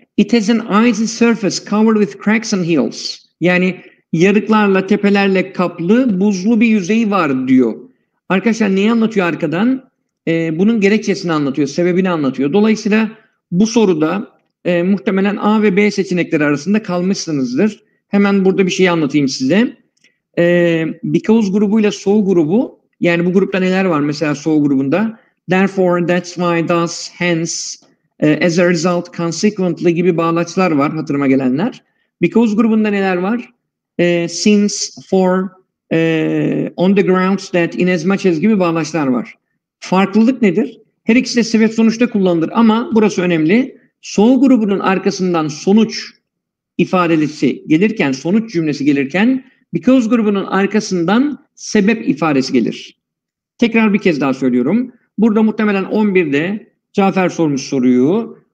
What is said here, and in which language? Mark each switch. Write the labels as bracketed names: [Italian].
[English] It has an icy surface covered with cracks and hills. [Turkish] Yani yarıklarla, tepelerle kaplı, buzlu bir yüzeyi var diyor. Arkadaşlar neyi anlatıyor arkadan? Bunun gerekçesini anlatıyor, sebebini anlatıyor. Dolayısıyla bu soruda muhtemelen A ve B seçenekleri arasında kalmışsınızdır. Hemen burada bir şey anlatayım size. Bir kauz grubuyla so grubu, yani bu grupta neler var mesela so grubunda? [English] Therefore, that's why, thus, hence, as a result, consequently [Turkish] gibi bağlaçlar var hatırıma gelenler. Bir kauz grubunda neler var? [English] Since, for, on the grounds that, in as much as [Turkish] gibi bağlaçlar var. Farklılık nedir? Her ikisi de sebep sonuçta kullanılır ama burası önemli. So grubunun arkasından sonuç ifadesi gelirken, sonuç cümlesi gelirken, because grubunun arkasından sebep ifadesi gelir. Tekrar bir kez daha söylüyorum. Burada muhtemelen 11'de Cafer sormuş soruyu.